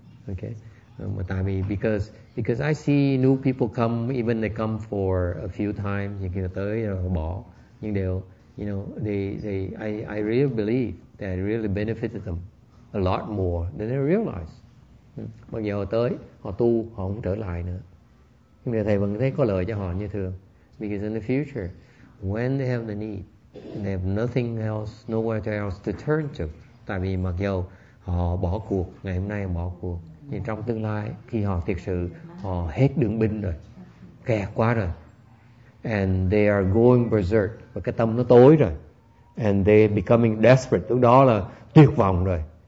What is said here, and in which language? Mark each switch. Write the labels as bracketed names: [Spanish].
[English] Okay, [Vietnamese] mà tại vì [English] because I see new people come, even they come for a few times, [Vietnamese] những người tới rồi bỏ, nhưng đều, [English] you know, I really believe that I really benefited them a lot more than they realize. [Vietnamese] Mặc dù họ tới, họ tu, họ không trở lại nữa. Nhưng mà thầy vẫn thấy có lợi cho họ như thường. [English] Because in the future, when they have the need, they have nothing else, nowhere else to turn to. [Vietnamese] Tại vì mặc dù họ bỏ cuộc, ngày hôm nay họ bỏ cuộc, nhưng trong tương lai, khi họ thiệt sự, họ hết đường binh rồi, kẹt quá rồi. [English] And they are going berserk, [Vietnamese] và cái tâm nó tối rồi. [English] And they are becoming desperate, [Vietnamese] lúc đó là tuyệt vọng rồi.